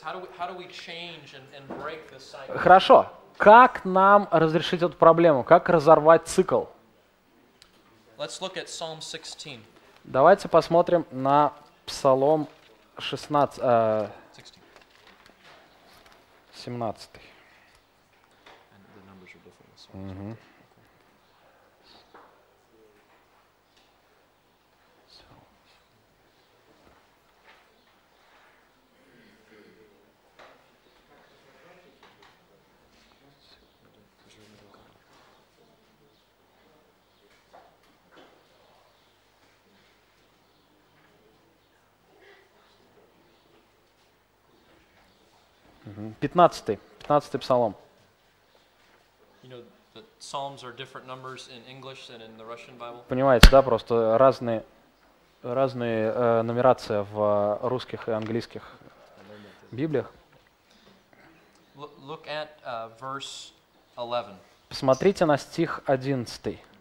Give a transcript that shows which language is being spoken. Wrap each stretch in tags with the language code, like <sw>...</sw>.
<en>How do we change and break this cycle?</en> <ru>Хорошо. Как нам разрешить эту проблему? Как разорвать цикл?</ru> <en>Let's look at Psalm 16.</en> <ru>Давайте посмотрим на Псалом 17.</ru> <en>And the numbers are different. Mm-hmm.</en> <ru>Пятнадцатый псалом.</ru> <en>You know, the psalms are different numbers in English than in the Russian Bible.</en> <ru>Понимаете, да, просто разные нумерация в русских и английских Библиях.</ru> <en>Look at verse 11.</en> <ru>Посмотрите на стих 11.</ru>